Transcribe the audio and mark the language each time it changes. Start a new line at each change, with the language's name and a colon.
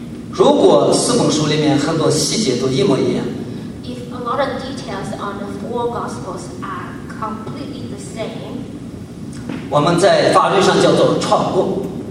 Chinese: 如果四本书里面很多细节都一模一样，
English: If a lot of details on the four gospels are completely the same,
Chinese: 我们在法律上叫做闯过。